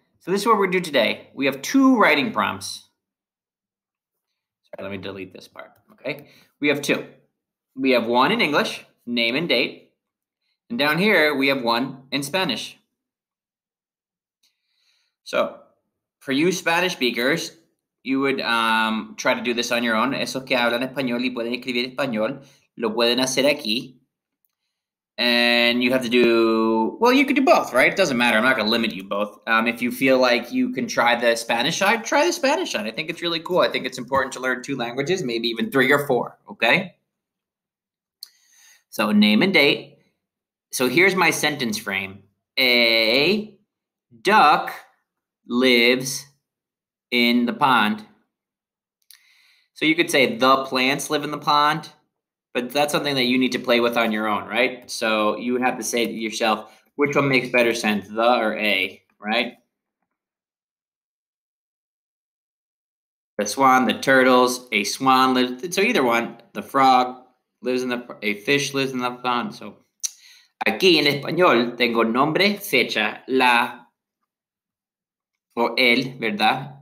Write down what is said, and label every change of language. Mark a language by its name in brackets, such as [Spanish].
[English] So this is what we're doing today. We have two writing prompts. Sorry, let me delete this part, okay? We have two. We have one in English, name and date. And down here, we have one in Spanish. So, for you Spanish speakers, you would try to do this on your own. [Spanish] Esos que hablan español y pueden escribir español, lo pueden hacer aquí. [English] And you have to do, well, you could do both, right? It doesn't matter. I'm not going to limit you both. If you feel like you can try the Spanish side, try the Spanish side. I think it's really cool. I think it's important to learn two languages, maybe even three or four, okay? So name and date. So here's my sentence frame. A duck lives in the pond. So you could say the plants live in the pond, but that's something that you need to play with on your own, right? So you would have to say to yourself, which one makes better sense, the or a, right? The swan, the turtles, a swan lives, so either one, the frog lives in the, a fish lives in the pond. [Spanish] So aquí en español tengo nombre, fecha, la, o el, ¿verdad?